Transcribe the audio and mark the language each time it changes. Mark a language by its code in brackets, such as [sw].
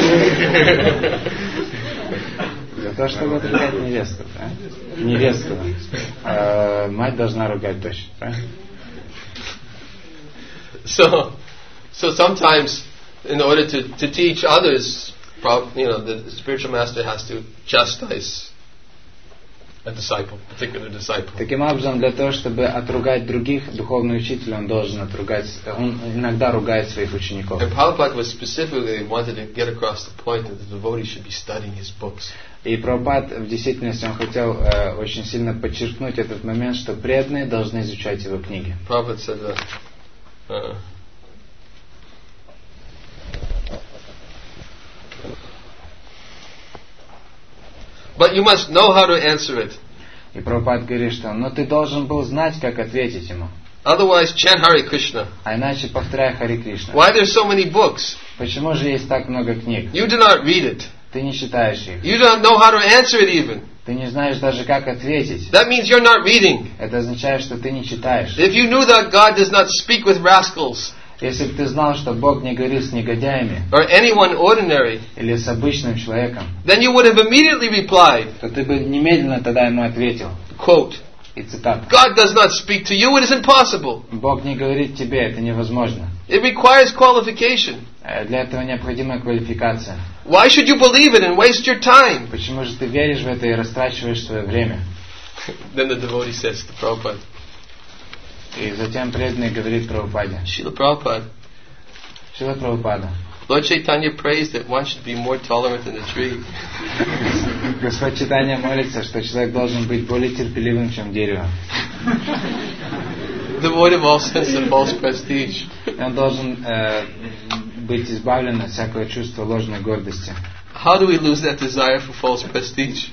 [ru] для того, чтобы отругать невесту, да? Невесту, мать должна ругать дочь, да? [en] So sometimes in order to teach others, you know, the spiritual master has to chastise a disciple, a particular disciple. [ru] Таким образом, для того, чтобы отругать других, духовный учитель, он должен отругать, он иногда ругает своих учеников. [en] And Prabhupada was specifically wanted to get across the point that the devotee should be studying his books. [ru] И Прабхупад в действительности он хотел очень сильно подчеркнуть этот момент, что преданные должны изучать его книги. [en] Prabhupada said that. But you must know how to answer it. [ru] И Прабхупад говорит, что, но ты должен был знать, как ответить ему. [en] Otherwise, chant Hare Krishna. [ru] А иначе повторяй Хари Кришна. [en] Why there's so many books? [ru] Почему же есть так много книг? [en] You do not read it. [ru] Ты не читаешь их. [en] You don't know how to answer it even. [ru] Ты не знаешь даже как ответить. [en] That means you're not reading. [ru] Это означает, что ты не читаешь. [en] If you knew that God does not speak with rascals. [ru] Если бы ты знал, что Бог не говорит с негодяями, [en] or anyone ordinary, [ru] или с обычным человеком, [en] then you would have immediately replied, [ru] то ты бы немедленно тогда ему ответил. [en] Quote, [ru] и цитата. [en] God does not speak to you, it is impossible. [ru] Бог не говорит тебе, это невозможно. [en] It requires qualification. [ru] Для этого необходима квалификация. [en] Why should you believe it and waste your time? [ru] Почему же ты веришь в это и растрачиваешь свое время? [en] Then the devotee says to Prabhupada. [ru] И затем преданный говорит Прабхупаде. Шрила Прабхупада. Шрила Прабхупада. [en] Lord Chaitanya prays that one should be more tolerant than the tree. [ru] Господь Читания молится, что человек должен быть более терпеливым, чем дерево. [en] Devoid of all sense of false prestige. [ru] Он должен быть избавлен от всякого чувства ложной гордости. [en] How do we lose that desire for false prestige?